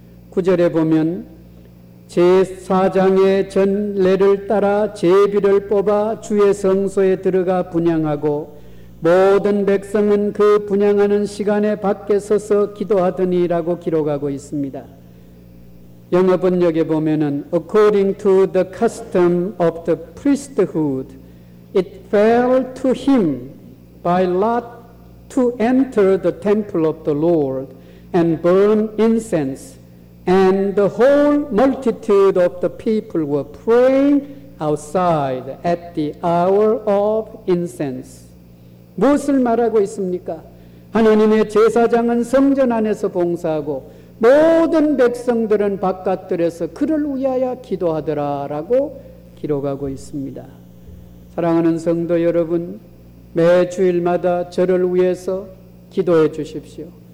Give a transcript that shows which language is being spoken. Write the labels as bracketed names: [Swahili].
[Korean] 9절에 보면 제사장의 전례를 따라 제비를 뽑아 주의 성소에 들어가 분향하고 모든 백성은 그 분향하는 시간에 밖에 서서 기도하더니라고 기록하고 있습니다. 영어 번역에 보면은 [English] According to the custom of the priesthood, it fell to him by lot to enter the temple of the Lord and burn incense. And the whole multitude of the people were praying outside at the hour of incense. [Korean] 무엇을 말하고 있습니까? 하나님의 제사장은 성전 안에서 봉사하고 모든 백성들은 바깥들에서 그를 위하여 기도하더라라고 기록하고 있습니다. 사랑하는 성도 여러분, 매 주일마다 저를 위해서 기도해 주십시오.